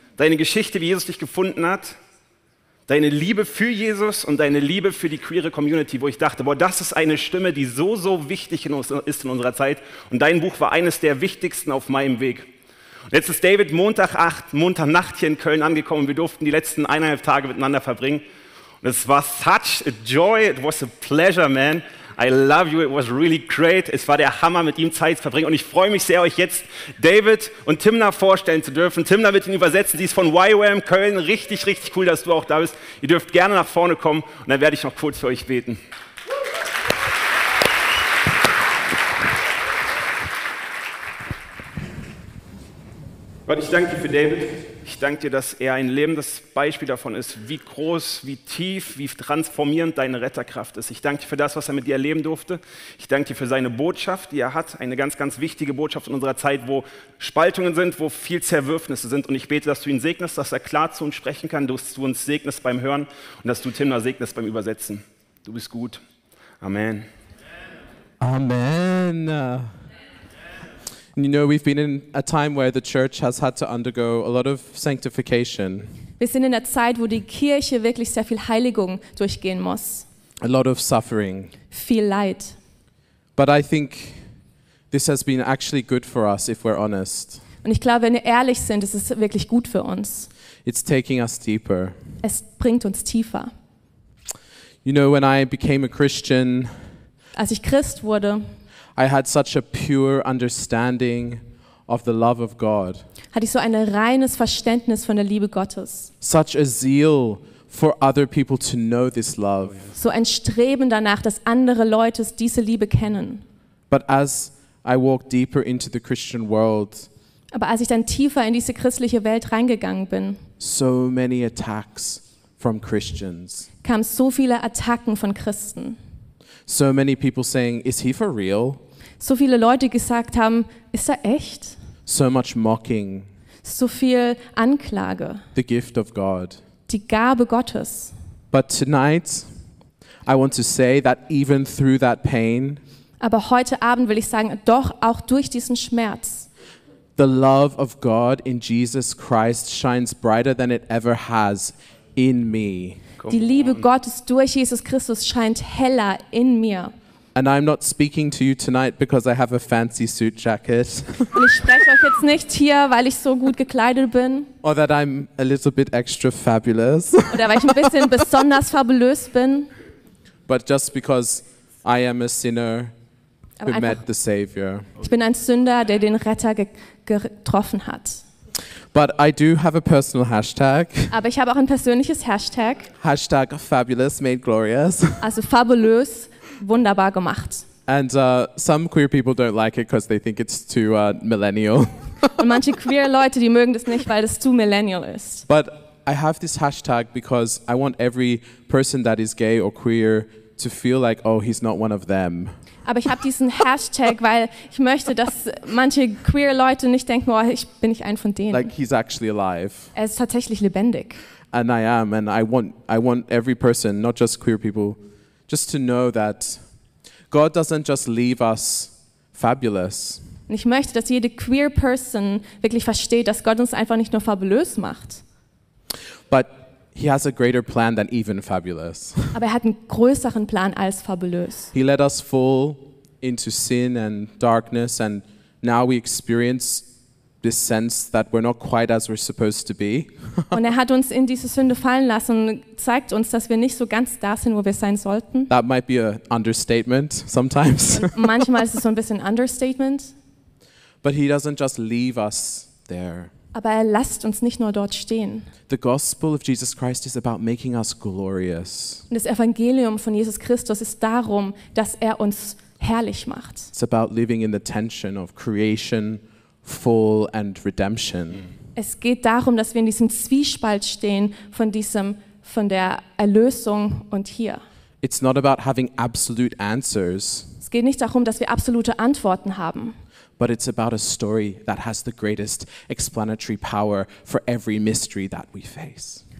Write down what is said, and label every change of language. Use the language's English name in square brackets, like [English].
[German] Deine Geschichte, wie Jesus dich gefunden hat, deine Liebe für Jesus und deine Liebe für die queere Community, wo ich dachte, boah, das ist eine Stimme, die so, so wichtig in uns ist in unserer Zeit. Und dein Buch war eines der wichtigsten auf meinem Weg. Und jetzt ist David Montagnacht hier in Köln angekommen. Wir durften die letzten 1,5 Tage miteinander verbringen. Und es war [English] such a joy, it was a pleasure, man. I love you, it was really great. [German] Es war der Hammer, mit ihm Zeit zu verbringen. Und ich freue mich sehr, euch jetzt David und Timna vorstellen zu dürfen. Timna wird ihn übersetzen, sie ist von YWAM Köln. Richtig, richtig cool, dass du auch da bist. Ihr dürft gerne nach vorne kommen und dann werde ich noch kurz für euch beten. Gott, ich danke dir für David. Ich danke dir, dass er ein lebendes Beispiel davon ist, wie groß, wie tief, wie transformierend deine Retterkraft ist. Ich danke dir für das, was er mit dir erleben durfte. Ich danke dir für seine Botschaft, die er hat. Eine ganz, ganz wichtige Botschaft in unserer Zeit, wo Spaltungen sind, wo viel Zerwürfnisse sind. Und ich bete, dass du ihn segnest, dass er klar zu uns sprechen kann, dass du uns segnest beim Hören und dass du Timna segnest beim Übersetzen. Du bist gut. Amen. Amen. [English] You know, we've been in a time where the church has had to undergo a lot of sanctification. [German] Wir sind in einer Zeit, wo die Kirche wirklich sehr viel Heiligung durchgehen muss. [English] A lot of suffering. [German] Viel Leid. [English] But I think this has been actually good for us, if we're honest. [German] Und ich glaube, wenn wir ehrlich sind, ist es wirklich gut für uns. [English] It's taking us deeper. [German] Es bringt uns tiefer. [English] You know, when I became a Christian, [German] als ich Christ wurde, [English] I had such a pure understanding of the love of God. [German] Hatte ich so ein reines Verständnis von der Liebe Gottes. [English] Such a zeal for other people to know this love. [German] So ein Streben danach, dass andere Leute diese Liebe kennen. [English] But as I walked deeper into the Christian world, [German] aber als ich dann tiefer in diese christliche Welt reingegangen bin, [English] so many attacks from Christians. [German] Kamen so viele Attacken von Christen. [English] So many people saying, "Is he for real?" [German] So viele Leute gesagt haben, ist er echt? [English] So much mocking. [German] So viel Anklage. [English] The gift of God. [German] Die Gabe Gottes. [English] But tonight, I want to say that even through that pain. [German] Aber heute Abend will ich sagen, doch auch durch diesen Schmerz. [English] The love of God in Jesus Christ shines brighter than it ever has in me. [German] Die Liebe Gottes durch Jesus Christus scheint heller in mir. [English] And I'm not speaking to you tonight because I have a fancy suit jacket. [German] Und ich spreche euch jetzt nicht hier, weil ich so gut gekleidet bin. [English] Or that I'm a little bit extra fabulous. [German] Oder weil ich ein bisschen besonders fabulös bin. [English] But just because I am a sinner who einfach, met the Savior. [German] Ich bin ein Sünder, der den Retter getroffen hat. [English] But I do have a personal hashtag. [German] Aber ich habe auch ein persönliches Hashtag. [English] Hashtag fabulous made glorious. [German] Also fabulös, wunderbar gemacht. [English] And some queer people don't like it because they think it's too millennial. [German] Und manche queer Leute, die mögen das nicht, weil das zu millennial ist. [English] But I have this hashtag because I want every person that is gay or queer to feel like, oh, he's not one of them. [German] Aber ich habe diesen Hashtag, weil ich möchte, dass manche queer Leute nicht denken, oh, ich bin nicht ein von denen. [English] Like he's actually alive. [German] Er ist tatsächlich lebendig. [English] And I am, and I want every person, not just queer people, just to know that God doesn't just leave us fabulous. [German] Und ich möchte, dass jede queer Person wirklich versteht, dass Gott uns einfach nicht nur fabulös macht. [English] But He has a greater plan than even fabulous. [German] Aber er hat einen größeren Plan als fabulös. [English] He let us fall into sin and darkness, and now we experience this sense that we're not quite as we're supposed to be. [German] Und er hat uns in diese Sünde fallen lassen und zeigt uns, dass wir nicht so ganz da sind, wo wir sein sollten. [English] That might be an understatement sometimes. [German] Und manchmal ist es so ein bisschen understatement. [English] But he doesn't just leave us there. [German] Aber er lässt uns nicht nur dort stehen. [English] The gospel of Jesus Christ is about making us glorious. [German] Das Evangelium von Jesus Christus ist darum, dass er uns herrlich macht. [English] It's about living in the tension of creation, fall and redemption. [German] Es geht darum, dass wir in diesem Zwiespalt stehen von diesem, von der Erlösung und hier. [English] It's not about having absolute answers. [German] Es geht nicht darum, dass wir absolute Antworten haben. [English] But it's about a story that has the greatest explanatory power for every mystery that we face.